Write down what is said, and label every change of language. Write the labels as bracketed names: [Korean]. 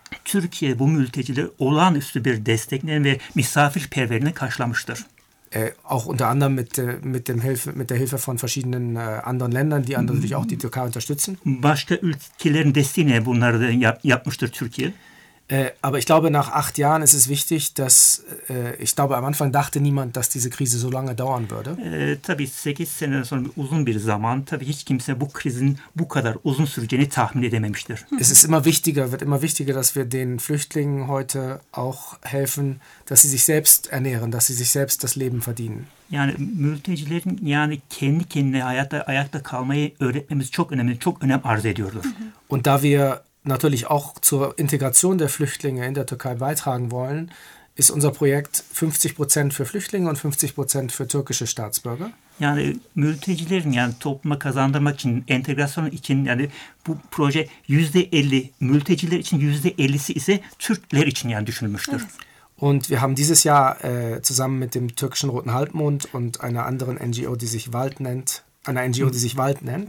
[Turkish] Türkiye bu mültecileri olağanüstü bir destekle ve misafirperverliğine karşılamıştır. [German] Auch unter anderem mit der Hilfe von verschiedenen anderen Ländern, die natürlich auch die Türkei unterstützen. [Turkish] Başka ülkelerin desteğiyle bunları da yapmıştır Türkiye. [German] Aber ich glaube, nach 8 Jahren ist es wichtig, dass ich glaube, am Anfang dachte niemand, dass diese Krise so lange dauern würde. [Turkish] Tabii 8 sene sonra uzun bir zaman, tabii hiç kimse bu krizin bu kadar uzun süreceğini tahmin edememiştir. [German] Es ist immer wichtiger, wird immer wichtiger, dass wir den Flüchtlingen heute auch helfen, dass sie sich selbst ernähren, dass sie sich selbst das Leben verdienen. [Turkish] Yani mültecilerin yani kendi kendine hayatta ayakta kalmayı öğretmemiz çok önemli, çok önem arz ediyordur. [German] Und da wir natürlich auch zur Integration der Flüchtlinge in der Türkei beitragen wollen, ist unser Projekt 50% für Flüchtlinge und 50% für türkische Staatsbürger. [Turkish] Yani mültecilerin yani topluma kazandırmak için, entegrasyon için yani bu proje %50 mülteciler için, %50'si ise Türkler için yani düşünülmüştür. Evet. [German] Und wir haben dieses Jahr zusammen mit dem türkischen Roten Halbmond und einer anderen NGO, die sich WALT nennt, eine NGO, die sich WALT nennt.